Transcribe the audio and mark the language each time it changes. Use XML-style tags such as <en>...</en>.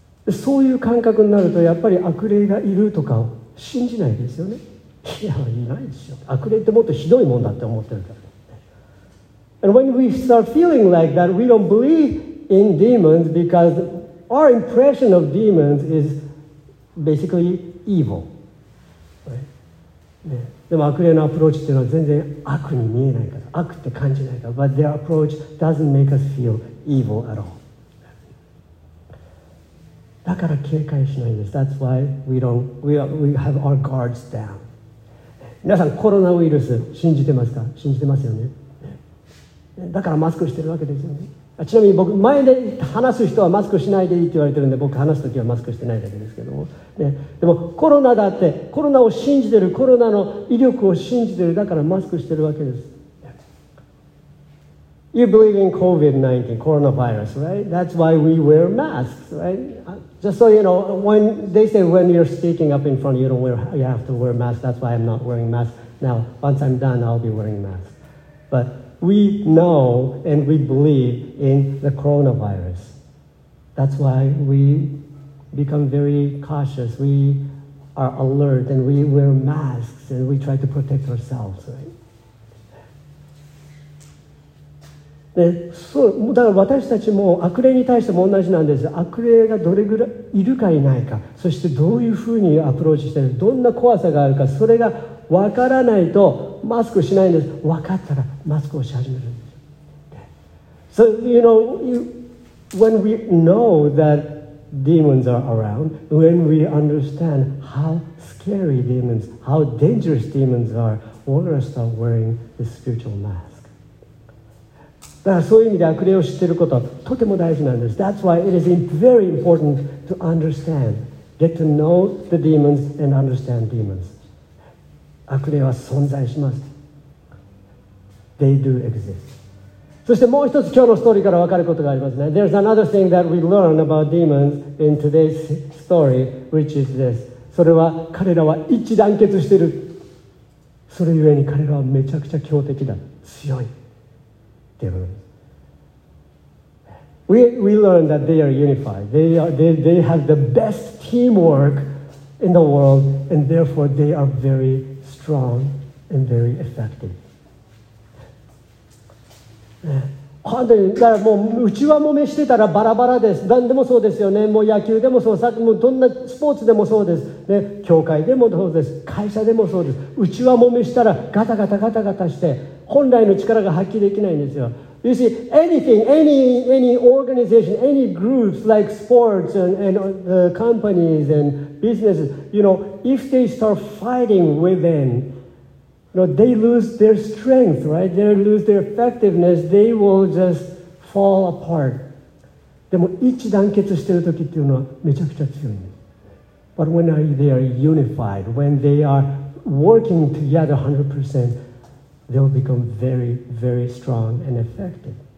<ja>そういう感覚になると、やっぱり悪霊がいるとか信じないですよね。いや、いないでしょ。悪霊ってもっとひどいもんだって思ってるから。</ja> <en>And when we start feeling like that, we don't believe in demons because our impression of demons is basically evil.</en> <ja>でも悪霊のアプローチっていうのは全然悪に見えないから、悪って感じないから。</ja> <en>But their approach doesn't make us feel evil at all.</en> <ja>だから警戒しないんです。</ja> <en>That's why we have our guards down.</en> <ja>皆さん、コロナウイルス信じてますか？信じてますよね。だからマスクしてるわけですよね。ちなみに僕、前で話す人はマスクしないでいいって言われてるんで、僕話すときはマスクしてないだけですけども、ね、でもコロナだって、コロナを信じてる、コロナの威力を信じてる、だからマスクしてるわけです。</ja> <en>You believe in COVID-19, coronavirus, right? That's why we wear masks, right? Just so you know, when they say when you're speaking up in front, you have to wear masks. That's why I'm not wearing masks. Now, once I'm done, I'll be wearing masks. ButWe know and we believe in the coronavirus. That's why we become very cautious. We are alert and we wear masks and we try to protect ourselves, right?</en> <ja>で、そう、だから私たちも悪霊に対しても同じなんです。悪霊がどれぐらいいるかいないか、そしてどういうふうにアプローチしている、どんな怖さがあるか、それがわからないとマスクしないんです。分かったらマスクをし始めるんです。</ja> <en>So, you know, when we know that demons are around, when we understand how scary demons, how dangerous demons are, we're going to start wearing the spiritual mask.</en> <ja>だからそういう意味で悪霊を知っていることはとても大事なんです。</ja> <en>That's why it is very important to understand. Get to know the demons and understand demons.</en> <ja>悪霊は存在します。</ja> <en>They do exist.</en> <ja>そしてもう一つ今日のストーリーから分かることがありますね。</ja> <en>There's another thing that we learn about demons in today's story, which is this.</en> <ja>それは彼らは一致団結している。それゆえに彼らはめちゃくちゃ強敵だ。強い。</ja> <en>We learn that they are unified. They have the best teamwork in the world, and therefore they are very strong and very effective. Yeah.</en> <ja>本当にだからもう内輪もめしてたらバラバラです。何でもそうですよね。もう野球でもそう、もうどんなスポーツでもそうです。ね、教会でもそうです。会社でもそうです。内輪もめしたらガタガタガタガタして。本来の力が発揮できないんですよ。</ja> <en>You see, anything, any organization, any groups like sports and companies and businesses, you know, if they start fighting within, you know, they lose their strength, right? They lose their effectiveness. They will just fall apart.</en> <ja>でも一致団結してる時っていうのはめちゃくちゃ強いんです。</ja> <en>But when they are unified, when they are working together 100%,They will become very, very strong and effective.</en>